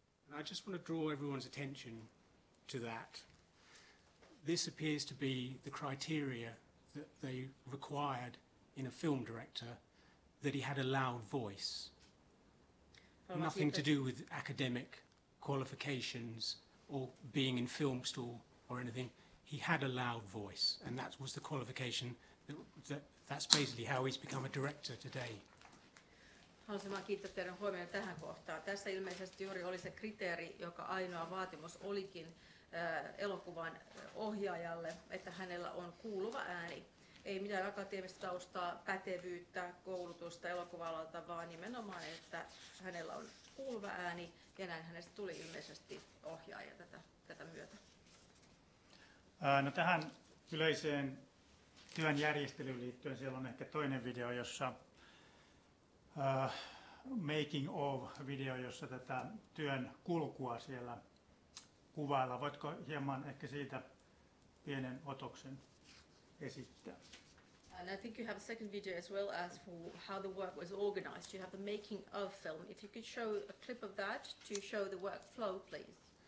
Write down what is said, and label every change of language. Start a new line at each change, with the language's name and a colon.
English: And I just want to draw everyone's attention to that. This appears to be the criteria that they required in a film director, that he had a loud voice. Nothing to do with academic qualifications or being in film school or anything. He had a loud voice, and that was the qualification. That's basically how he's become a director today.
Finnish: Haluaisin vaan kiittää teidän huomioon tähän kohtaan. Tässä ilmeisesti juuri oli se kriteeri, joka ainoa vaatimus olikin elokuvan ohjaajalle, että hänellä on kuuluva ääni. Ei mitään akateemista taustaa, pätevyyttä, koulutusta elokuva-alalta, vaan nimenomaan, että hänellä on kuuluva ääni, ja näin hänestä tuli ilmeisesti ohjaaja tätä myötä. No tähän yleiseen työn järjestelyyn liittyen siellä on ehkä toinen video, jossa making of video, jossa tätä työn kulkua siellä kuvailla. Voitko hieman ehkä siitä pienen otoksen esittää?
English: And I think you have a second video as well as for how the work was organized. You have the making of film. If you could show a clip of that to show the workflow, please.